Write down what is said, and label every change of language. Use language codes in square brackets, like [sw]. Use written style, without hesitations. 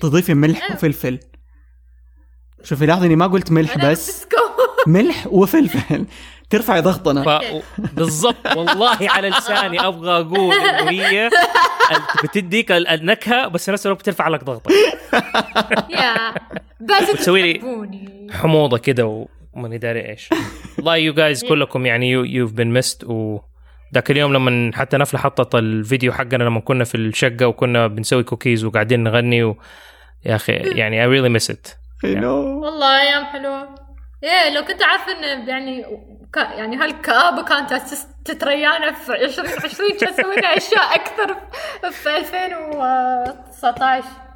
[ar] تضيفي ملح وفلفل، شوفي لاحظي أني ما قلت ملح بس، ملح وفلفل ترفع ضغطنا بالضبط. والله على لساني أبغى أقول إنه هي بتديك النكهة بس نفس الوقت بترفع لك ضغطك. بس تسوي لي حموضة كده ومن داري إيش. الله [en] you guys [ar] كلكم يعني [en] you've been missed. [ar] وذاك اليوم لما حتى نفل حطت الفيديو حقنا لما كنا في الشقة وكنا بنسوي كوكيز وقاعدين نغني، يا أخي يعني [en] I really miss it. [ar] والله يا حلو. إيه لو كنت عارف إن يعني يعني هالكآبة كانت تتريانة في 2020 تسوينا أشياء أكثر في 2019.